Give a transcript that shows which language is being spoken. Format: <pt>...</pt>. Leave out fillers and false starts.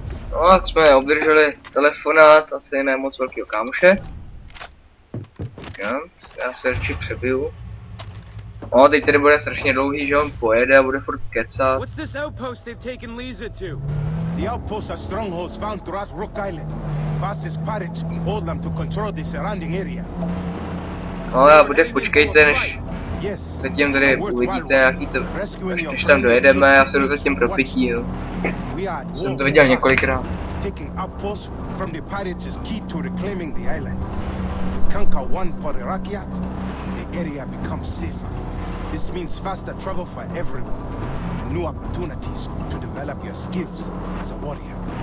<cs>No, tak jsme obdrželi telefonát, asi ne moc velkýho kámoše. Já se radši přebiju. No, teď tady bude strašně dlouhý, že on pojede a bude furt kecat.</cs> <en>What's this outpost they've taken Lisa to? The outposts are strongholds found throughout Rook Island. Vast's pirates hold them to control the surrounding area.</en> <cs>No, a bude, počkejte, než zatím tady uvidíte, jaký to, než tam dojedeme, já se jdu zatím pro pití, jo. Jsem to viděl několikrát.</cs> <en>Taking outposts from the pirates is key to reclaiming the island. To conquer one for the Rakyat, the area becomes safer. This means faster travel for everyone. New opportunities to develop your skills as a warrior.</en>